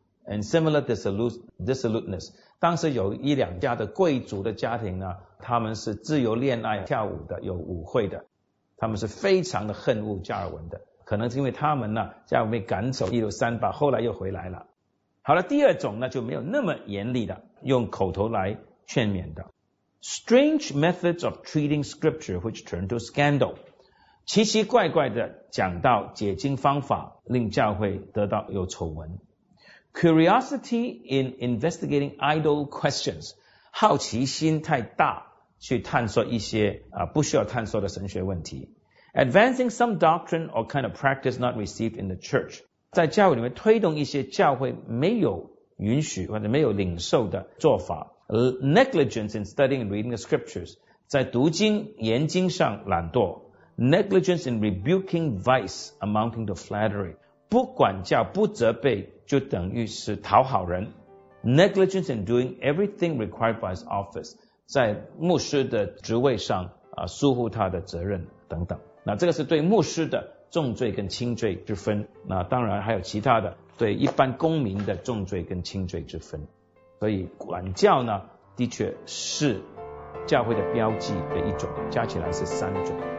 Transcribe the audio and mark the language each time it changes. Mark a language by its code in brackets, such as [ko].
[en] And similar dissoluteness, [zh] 当时有一两家的贵族的家庭呢，他们是自由恋爱跳舞的，有舞会的，他们是非常的恨恶加尔文的，可能是因为他们呢在外面赶走1638，后来又回来了。好了，第二种呢就没有那么严厉的，用口头来劝勉的。 [en] Strange methods of treating scripture which turn to scandal. [zh] 奇奇怪怪的讲到解经方法令教会得到有丑闻。 [en] Curiosity in investigating idle questions. [zh] 好奇心太大去探索一些不需要探索的神学问题。 [en] Advancing some doctrine or kind of practice not received in the church. [zh] 在教会里面推动一些教会没有允许或者没有领受的做法。 [en] Negligence in studying and reading the scriptures. [zh] 在读经研经上懒惰。 [en] Negligence in rebuking vice amounting to flattery. [zh] 不管教不责备就等于是讨好人。 [en] Negligence in doing everything required by his office. [zh] 在牧师的职位上疏忽他的责任等等。那这个是对牧师的重罪跟轻罪之分，那当然还有其他的对一般公民的重罪跟轻罪之分。所以管教呢的确是教会的标记的一种，加起来是三种。